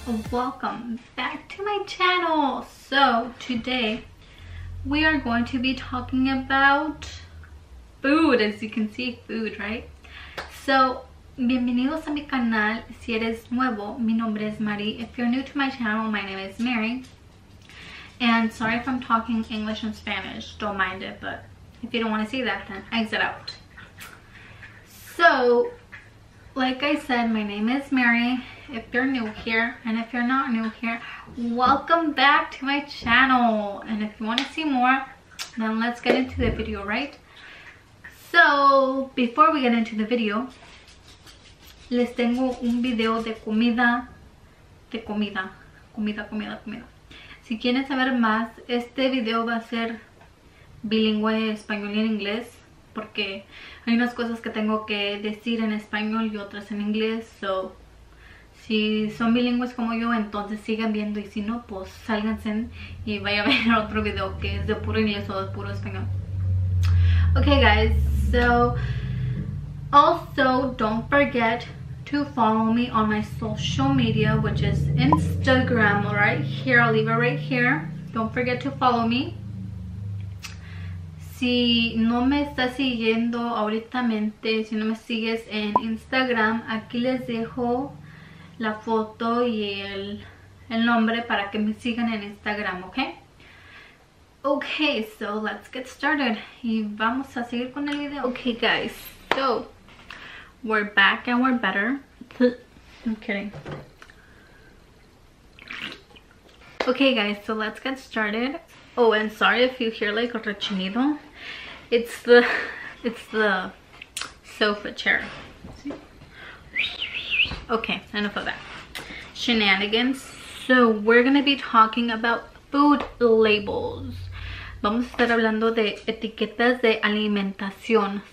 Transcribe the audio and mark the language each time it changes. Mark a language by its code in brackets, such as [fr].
[en] Welcome back to my channel. So today we are going to be talking about food, as you can see, food, right? [es] So bienvenidos a mi canal si eres nuevo. Mi nombre es Mari. [en] If you're new to my channel, my name is Mary. And sorry if I'm talking English and Spanish, don't mind it, but if you don't want to see that, then exit out. So like I said, my name is Mary. If you're new here, and if you're not new here, welcome back to my channel. And if you want to see more, then let's get into the video, right? So, before we get into the video, [es] les tengo un video de comida. De comida. Comida, comida, comida. Si quieren saber más, este video va a ser bilingüe, español y en inglés. Porque hay unas cosas que tengo que decir en español y otras en inglés. So, si son bilingües como yo, entonces sigan viendo. Y si no, pues sálganse y vayan a ver otro video que es de puro inglés o de puro español. [en] Okay, guys. So, also, don't forget to follow me on my social media, which is Instagram, right here. I'll leave it right here. Don't forget to follow me. [es] Si no me estás siguiendo ahorita, si no me sigues en Instagram, aquí les dejo la foto y el nombre para que me sigan en Instagram, ¿ok? [en] Okay, so let's get started. [es] Y vamos a seguir con el video. [en] Okay, guys. So, we're back and we're better. I'm kidding. Okay, guys. So, let's get started. Oh, and sorry if you hear like a rechinido. It's the sofa chair. See? Okay, enough of that. Shenanigans. So we're gonna be talking about food labels. [es] Vamos a estar hablando de etiquetas de alimentación.